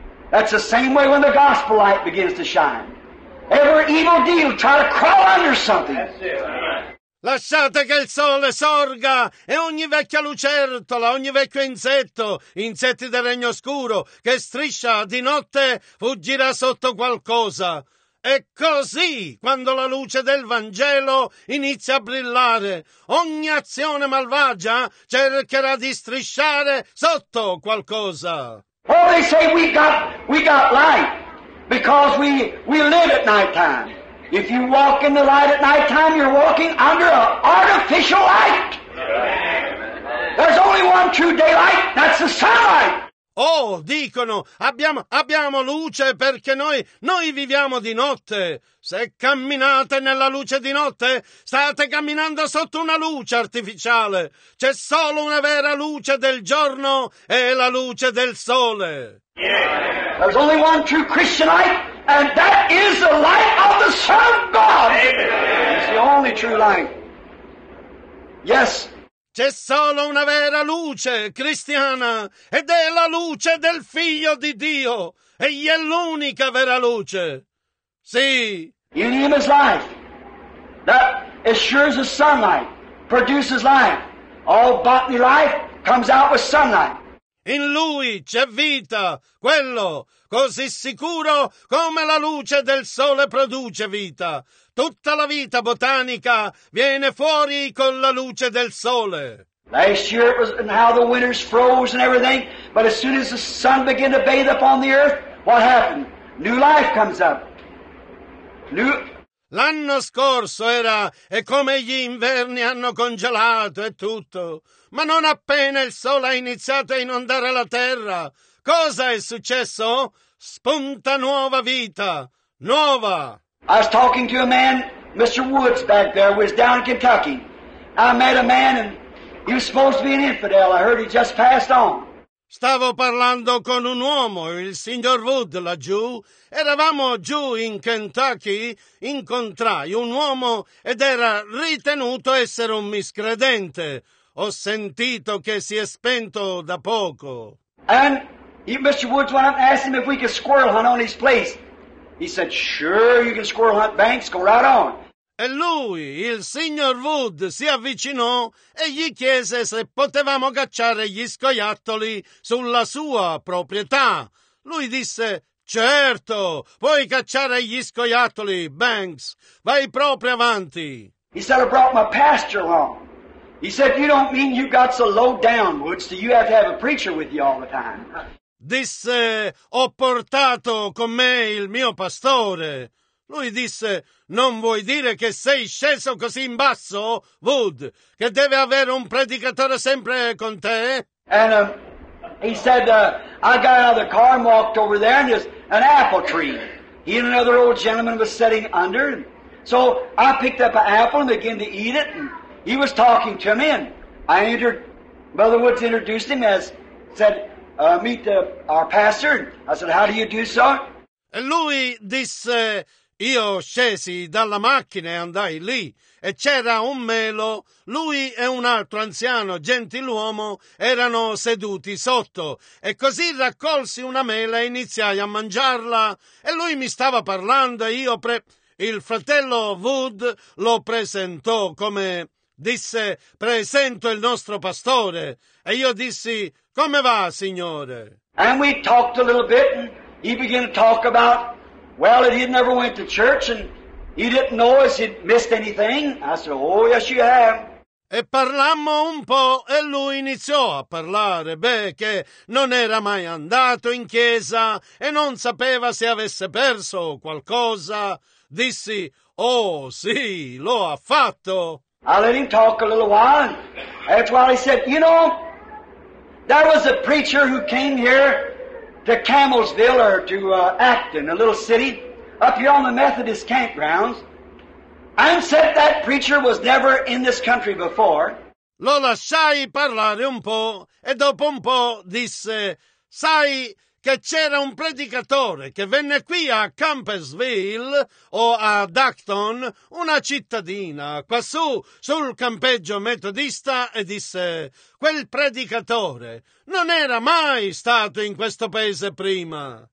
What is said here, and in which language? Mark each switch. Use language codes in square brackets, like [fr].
[en] That's the same way when the gospel light begins to shine. Every evil deal try to crawl under something. [it] Lasciate che il sole sorga e ogni vecchia lucertola, ogni vecchio insetto, insetti del regno oscuro, che striscia di notte, fuggirà sotto qualcosa. E così, quando la luce del Vangelo inizia a brillare, ogni azione malvagia cercherà di strisciare sotto qualcosa. [en] Oh, they say we got light because we live at night time. If you walk in the light at night time, you're walking under an artificial light. There's only one true daylight, that's the sunlight. [it] Oh, dicono, abbiamo luce perché noi viviamo di notte. Se camminate nella luce di notte, state camminando sotto una luce artificiale. C'è solo una vera luce del giorno e la luce del sole. [en] Yeah. There's only one true Christian light, and that is the light of the Son of God. Amen. It's the only true light. Yes. [it] C'è solo una vera luce cristiana, ed è la luce del Figlio di Dio. Egli è l'unica vera luce. Sì. [en] In Him is life. That assures the sunlight, produces life. All bodily life comes out with sunlight. [it] In Lui c'è vita, quello, così sicuro come la luce del sole produce vita. Tutta la vita botanica viene fuori con la luce del sole. [en] Last year it was and how the winters froze and everything, but as soon as the sun began to bathe upon the earth, what happened? New life comes up. New... [it] L'anno scorso era, e come gli inverni hanno congelato e tutto, ma non appena il sole ha iniziato a inondare la terra, cosa è successo? Spunta nuova vita, Nova. [en] I was talking to a man, Mr. Woods back there, was down in Kentucky. I met a man and he was supposed to be an infidel. I heard he just passed on. [it] Stavo parlando con un uomo, il signor Wood, laggiù. Eravamo giù in Kentucky, incontrai un uomo ed era ritenuto essere un miscredente. Ho sentito che si è spento da poco. [en] And Mr. Woods went up and asked him if we could squirrel hunt on his place. He said, sure, you can squirrel hunt banks, go right on. [it] E lui, il signor Wood, si avvicinò e gli chiese se potevamo cacciare gli scoiattoli sulla sua proprietà. Lui disse, certo, puoi cacciare gli scoiattoli, Banks, vai proprio avanti. [en] He said, I brought my pastor along. He said, you don't mean you got so low down, Woods, that you have to have a preacher with you all the time. [it] Disse, ho portato con me il mio pastore. Lui disse, non vuoi dire che sei sceso così in basso, Wood, che deve avere un predicatore sempre con te? [en] And he said, I got out of the car and walked over there and there's an apple tree. He and another old gentleman was sitting under. So I picked up an apple and began to eat it. And he was talking to me and Brother Woods introduced him as, said, meet our pastor. I said, how do you do, sir? [it] E lui disse, io scesi dalla macchina e andai lì, e c'era un melo, lui e un altro anziano gentiluomo erano seduti sotto, e così raccolsi una mela e iniziai a mangiarla, e lui mi stava parlando, e il fratello Wood lo presentò, come disse, presento il nostro pastore, e io dissi, come va, signore? [en] And we talked a little bit, and he began to talk about, well, he'd never went to church and he didn't know if he'd missed anything. I said, oh, yes, you have. [it] E parlammo un po' e lui iniziò a parlare, beh, che non era mai andato in chiesa e non sapeva se avesse perso qualcosa. Dissi, oh, sì, lo ha fatto. [en] I let him talk a little while. After a while he said, you know, there was a preacher who came here to Camelsville or to Acton, a little city up here on the Methodist campgrounds, and said that preacher was never in this country before. [it] Lo lasciai parlare un po', e dopo un po' disse, sai che c'era un predicatore che venne qui a Campbellsville o a Acton, una cittadina, quassù sul campeggio metodista, e disse, quel predicatore non era mai stato in questo paese prima.